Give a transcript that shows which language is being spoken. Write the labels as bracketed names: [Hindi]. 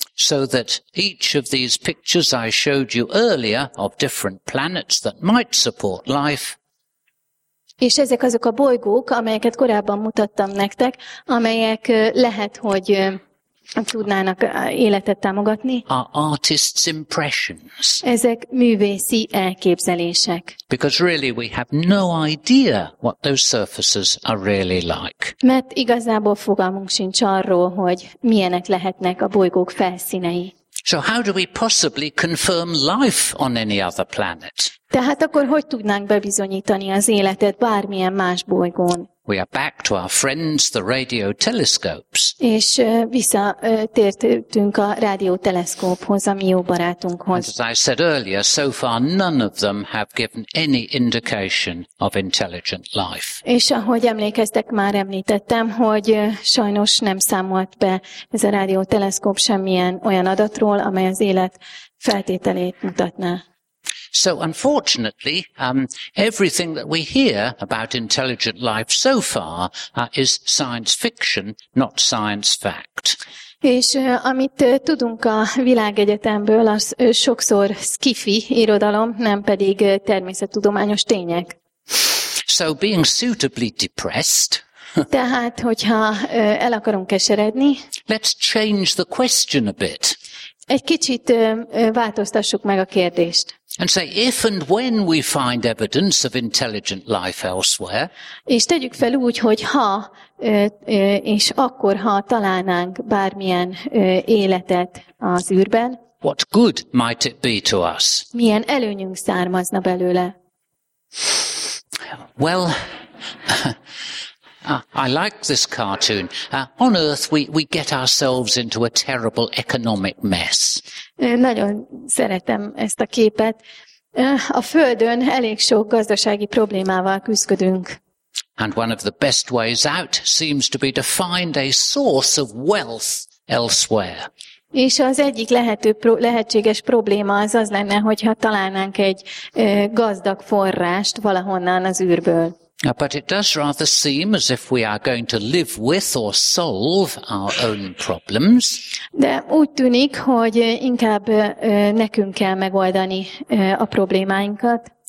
[English] So that each of these pictures I showed you earlier of different planets that might support life. [Hungarian] És ezek azok a bolygók, amelyeket korábban mutattam nektek, amelyek lehet, hogy tudnának életet támogatni. [English] Are artists' impressions. [Hungarian] Ezek művészi elképzelések. [English] Because really we have no idea what those surfaces are really like. [Hungarian] Mert igazából fogalmunk sincs arról, hogy milyenek lehetnek a bolygók felszínei. [English] So how do we possibly confirm life on any other planet? [Hungarian] Tehát akkor hogy tudnánk bebizonyítani az életet bármilyen más bolygón? [English] We are back to our friends, the radio telescopes. [Hungarian] És visszatértünk a rádióteleszkóphoz, a mi jó barátunkhoz. [English] And as I said earlier, so far none of them have given any indication of intelligent life. [Hungarian] És ahogy emlékeztek, már említettem, hogy sajnos nem számolt be ez a rádióteleszkóp semmilyen olyan adatról, amely az élet feltételét mutatná. [English] So unfortunately, everything that we hear about intelligent life so far is science fiction, not science fact. [Hungarian] És amit tudunk a világegyetemből, az sokszor sci-fi irodalom, nem pedig természettudományos tények. [English] So being suitably depressed, [Hungarian] tehát hogyha el akarunk keseredni, [English] let's change the question a bit. [Hungarian] Egy kicsit változtassuk meg a kérdést. [English] And say if and when we find evidence of intelligent life elsewhere. [Hungarian] És tegyük fel úgy, hogy ha és akkor ha találnánk bármilyen életet az űrben. [English] What good might it be to us? [Hungarian] Milyen előnyünk származna belőle? [English] Well, I like this cartoon. On Earth we get ourselves into a terrible economic mess. [Hungarian] Nagyon szeretem ezt a képet. A Földön elég sok gazdasági problémával küzdködünk. [English] And one of the best ways out seems to be to find a source of wealth elsewhere. [Hungarian] És az egyik lehetséges probléma az az lenne, hogyha találnánk egy gazdag forrást valahonnan az űrből. [English] But it does rather seem as if we are going to live with or solve our own problems. De úgy tűnik, hogy inkább nekünk kell megoldani a problémáinkat.